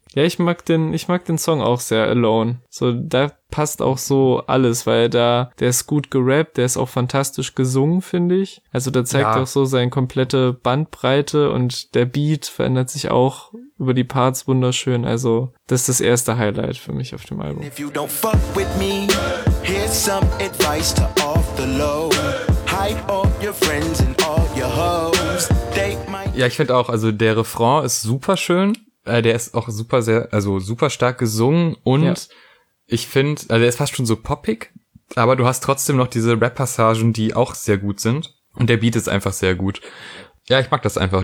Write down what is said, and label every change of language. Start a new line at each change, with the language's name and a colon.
German: Ja, ich mag den Song auch sehr, Alone. So, da passt auch so alles, weil der ist gut gerappt, der ist auch fantastisch gesungen, finde ich. Also da zeigt auch so seine komplette Bandbreite und der Beat verändert sich auch über die Parts wunderschön. Also, das ist das erste Highlight für mich auf dem Album.
English: If you don't fuck with me, here's some advice to off the low. Hide all your friends and all your hoes.
German: Ja, ich finde auch, also der Refrain ist super schön. Der ist auch super sehr, also super stark gesungen und ich finde, also er ist fast schon so poppig, aber du hast trotzdem noch diese Rap-Passagen, die auch sehr gut sind und der Beat ist einfach sehr gut. Ja, ich mag das einfach.